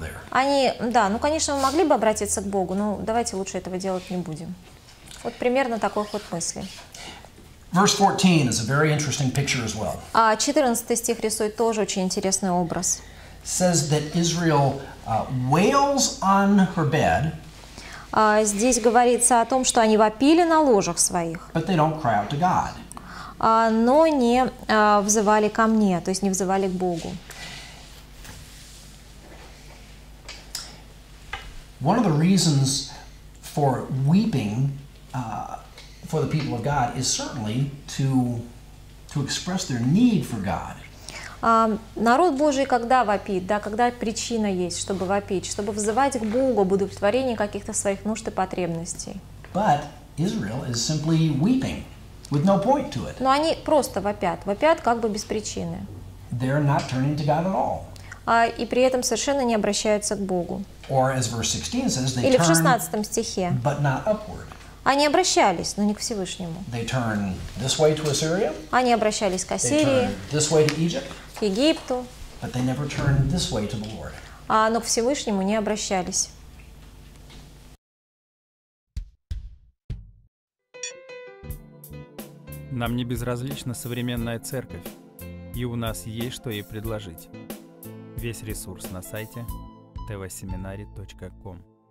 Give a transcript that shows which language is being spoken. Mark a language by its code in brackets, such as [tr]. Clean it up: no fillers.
[ru] Они, да, ну, конечно, мы могли бы обратиться к Богу, но давайте лучше этого делать не будем. Вот примерно такой ход мысли. [en] Verse 14 is a very interesting picture as well. [ru] 14 стих рисует тоже очень интересный образ. [en] Says that Israel wails on her bed. [ru] Здесь говорится о том, что они вопили на ложах своих. [en] But they don't cry out to God. [ru] Но не взывали ко мне, то есть не взывали к Богу. [en] One of the reasons for weeping for the people of God is certainly to express their need for God. [ru] Народ Божий когда вопит, да, когда причина есть, чтобы вопить, чтобы взывать к Богу об удовлетворении каких-то своих нужд и потребностей. [en] But Israel is simply weeping with no point to it. [ru] Но они просто вопят, вопят как бы без причины. [en] They're not turning to God at all. [ru] И при этом совершенно не обращаются к Богу. [en] Or as verse 16 says, they [ru] Или в 16 стихе. [en] Turn, but not upward. [ru] Они обращались, но не к Всевышнему. [en] They turn this way to Assyria. [ru] Они обращались к Ассирии. [en] They turn this way to Egypt. [ru] К Египту. [en] But they never turn this way to the Lord. [ru] Но к Всевышнему не обращались. Нам не безразлична современная церковь, и у нас есть что ей предложить. Весь ресурс на сайте tvseminary.com.